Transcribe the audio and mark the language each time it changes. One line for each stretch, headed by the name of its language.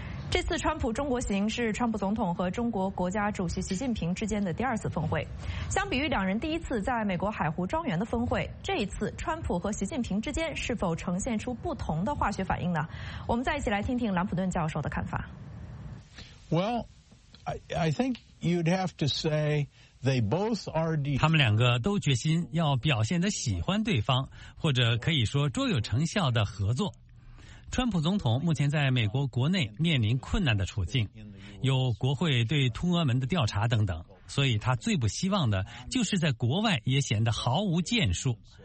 Chinese: 这次川普中国行是川普总统和中国国家主席习近平之间的第二次峰会。相比于两人第一次在美国海湖庄园的峰会，这一次川普和习近平之间是否呈现出不同的化学反应呢？我们再一起来听听兰普顿教授的看法。
English: Well, I think you'd have to say they both are deep.
Chinese: 他们两个都决心要表现得喜欢对方，或者可以说卓有成效的合作。川普总统目前在美国国内面临困难的处境，有国会对秃俄门的调查等等，所以他最不希望的就是在国外也显得毫无建树。